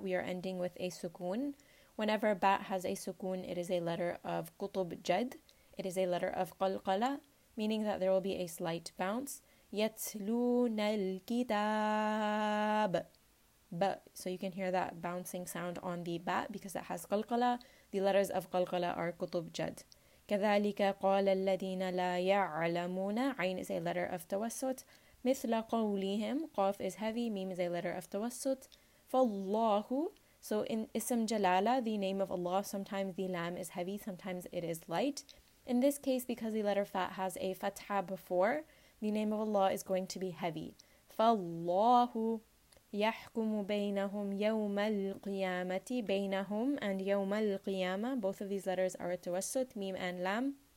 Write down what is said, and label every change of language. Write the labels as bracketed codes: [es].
[en] We are ending with a sukun. Whenever ba' has a sukun, it is a letter of kutub jad. It is a letter of qalqala, meaning that there will be a slight bounce. Yatluna al-kitab. But, so you can hear that bouncing sound on the ba' because it has qalqala. The letters of qalqala are kutub jad. [ar] كَذَلِكَ قَالَ الَّذِينَ لَا يَعْلَمُونَ عَيْن [en] is a letter of tawassut. [ar] مِثْلَ قَوْلِهِمْ قَاف [en] is heavy. Mim is a letter of tawassut. فَاللَّهُ So in ism jalala, the name of Allah, sometimes the lam is heavy, sometimes it is light. In this case, because the letter fat has a fatha before, the name of Allah is going to be heavy. [ar] فَاللَّهُ يَحْكُمُ بَيْنَهُمْ يَوْمَ الْقِيَامَةِ بَيْنَهُمْ and يَوْمَ الْقِيَامَةِ [en] Both of these letters are tawassut, mim and lam.